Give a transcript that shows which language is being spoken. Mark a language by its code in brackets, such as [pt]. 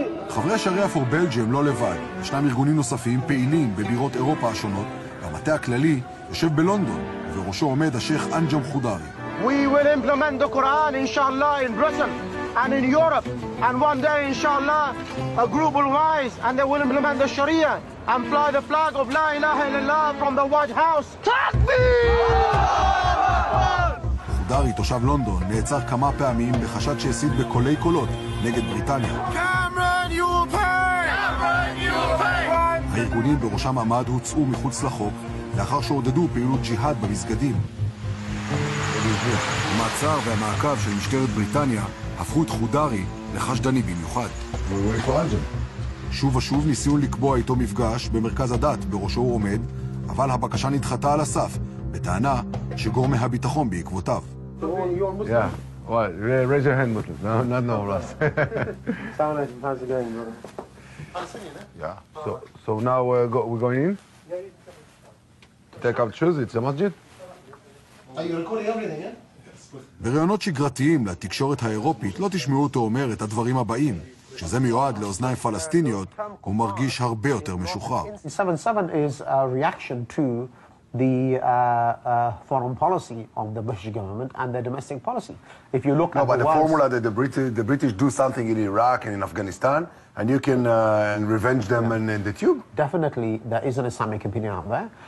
[he] חברי השריעה פור בלג'ים לא לבד. ישנם ארגונים נוספים פעילים בבירות אירופה השונות. והמטה הכללי יושב בלונדון, ובראשו עומד השייח אנג'ם חודרי. [en] We will implement the Quran, inshallah, in Britain and in Europe. And one day, inshallah, a group will rise and they will implement the Sharia and fly the flag of La ilaha illallah from the White House. Takbir! [he] חודרי, תושב לונדון, נעצר כמה פעמים בחשד שהסית בקולי קולות נגד בריטניה. [en] Cameron, you will pay! Cameron, you will pay! [he] הארגונים בראשם עמד הוצאו מחוץ לחוק לאחר שעודדו פעילות ג'יהאד במסגדים. המעצר והמעקב של משטרת בריטניה הפכו את חודרי לחשדני במיוחד. שוב ושוב ניסו לקבוע איתו מפגש במרכז הדת בראשו הוא עומד, אבל הבקשה נדחתה על הסף בטענה שגורמי הביטחון בעקבותיו. [en] What? Raise your hand, Muslim. No, not no, Ross. Salam alaikum. How's it going, brother? I'm singing, eh? Yeah. So now we're going in? Yeah. Take off shoes, it's a masjid. Are you recording everything, eh? [he] בראיונות שגרתיים לתקשורת האירופית לא תשמעו אותו אומר את הדברים הבאים. כשזה מיועד לאוזניים פלסטיניות, הוא מרגיש הרבה יותר משוחרר. [en] 7-7 is a reaction to the foreign policy of the British government and the domestic policy. If you look no, at but the formula that the British do something in Iraq and in Afghanistan and you can and revenge them yeah. in the tube. Definitely there is an Islamic opinion out there.